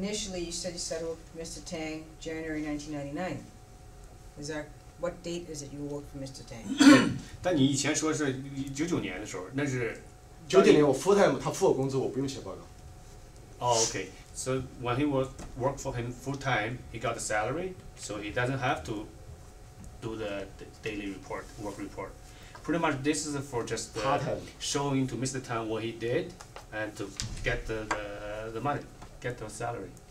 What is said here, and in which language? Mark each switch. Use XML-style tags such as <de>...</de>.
<en>Initially, you said you started working for Mr. Tang January 1999. Is that? What date is it you worked for Mr. Tang?</en> <zh>但你以前说是99年的时候，那是。99年，我</zh> <en>full time，</en> <zh>他付我工资，我不用写报告。</zh> <en>Oh, okay. So when he worked for him full time, he got the salary, so he doesn't have to do the daily report, work report. Pretty much, this is for just showing to Mr. Tang what he did and to get the money, get the salary.</en>